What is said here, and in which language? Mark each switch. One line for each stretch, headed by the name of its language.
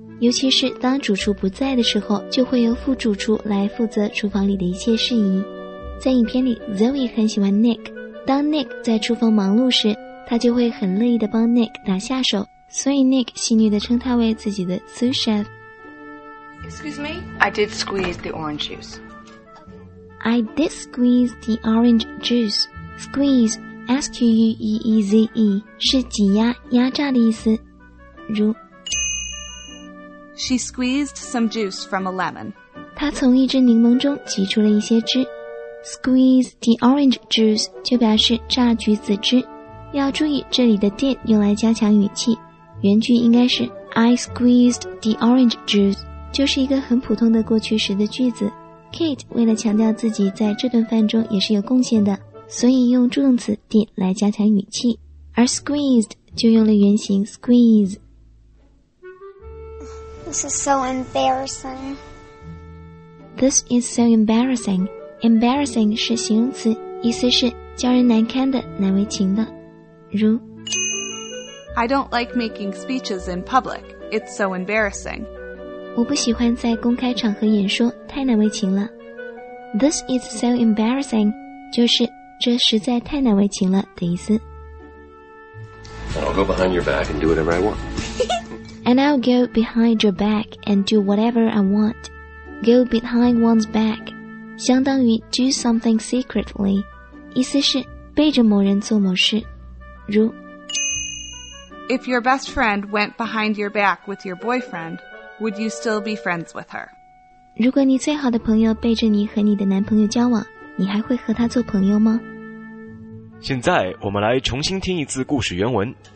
Chinese: 尤其是当主厨不在的时候，就会由副主厨来负责厨房里的一切事宜。在影片里 Zoe 很喜欢 Nick， 当 Nick 在厨房忙碌时，他就会很乐意地帮 Nick 打下手，所以 Nick 戏谑地称他为自己的 sous chef。
English: Excuse me, I did squeeze the orange juice. I did squeeze the orange juice.
Chinese: Squeeze, S-Q-U-E-E-Z-E 是挤压、压榨的意思。如
English: She squeezed some juice from a lemon.
Chinese: 她从一只柠檬中挤出了一些汁。
English: Squeeze the orange juice
Chinese: 就表示榨橘子汁，要注意这里的 did 用来加强语气，原句应该是
English: I squeezed the orange juice，
Chinese: 就是一个很普通的过去时的句子。 Kate 为了强调自己在这顿饭中也是有贡献的，所以用助动词 did 来加强语气，而 squeezed 就用了原形 squeeze。
English: This is This is so embarrassing. This is so embarrassing.
Chinese: Embarrassing 是形容词，意思是叫人难堪的、难为情的。如
English: I don't like making speeches in public. It's so embarrassing.
Chinese: 我不喜欢在公开场合演说，太难为情了。
English: This is so embarrassing.
Chinese: 就是这实在太难为情了的意思。
English: I'll go behind your back and do whatever I want. And I'll go behind your back and do whatever I want. Go behind one's back.
Chinese: 相当于
English: do something secretly.
Chinese: 意思是背着某人做某事。如
English: If your best friend went behind your back with your boyfriend, would you still be friends with her?
Chinese: 如果你最好的朋友背着你和你的男朋友交往，你还会和他做朋友吗？现在我们来重新听一次故事原文。